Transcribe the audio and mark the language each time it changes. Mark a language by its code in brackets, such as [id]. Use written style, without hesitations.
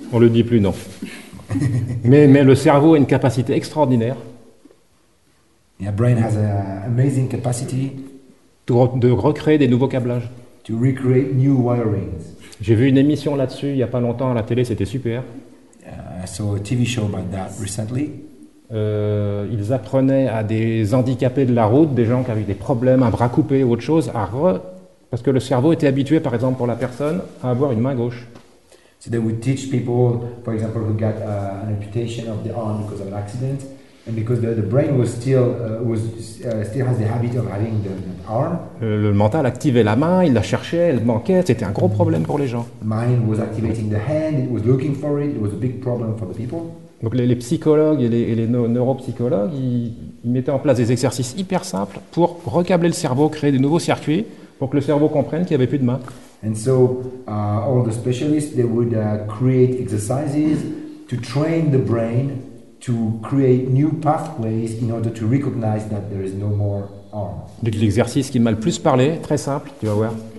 [fr] On le dit plus, non. mais le cerveau a une capacité extraordinaire. [en] Your brain has an amazing capacity [fr] de recréer des nouveaux câblages. [en] To recreate new wirings. [fr] J'ai vu une émission là-dessus il y a pas longtemps à la télé, c'était super. [en] I saw a TV show about that recently. [fr] Ils apprenaient à des handicapés de la route, des gens qui avaient des problèmes, un bras coupé ou autre chose, parce que le cerveau était habitué, par exemple pour la personne, à avoir une main gauche. [en] So they would teach people, for example, who got an amputation of the arm because of an accident, And because the brain was still was still has the habit of having the arm. [fr] Le mental activait la main, il la cherchait, elle manquait. C'était un gros problème pour les gens. [en] Mind was activating the hand. It was looking for it. It was a big problem for the people. [fr] Donc les psychologues et les neuropsychologues, ils mettaient en place des exercices hyper simples pour recâbler le cerveau, créer des nouveaux circuits pour que le cerveau comprenne qu'il n'y avait plus de main. [en] And so all the specialists they would create exercises to train the brain to create new pathways in order to recognize that there is no more arm. [fr] Donc l'exercice qui m'a le plus parlé, très simple, tu vas voir.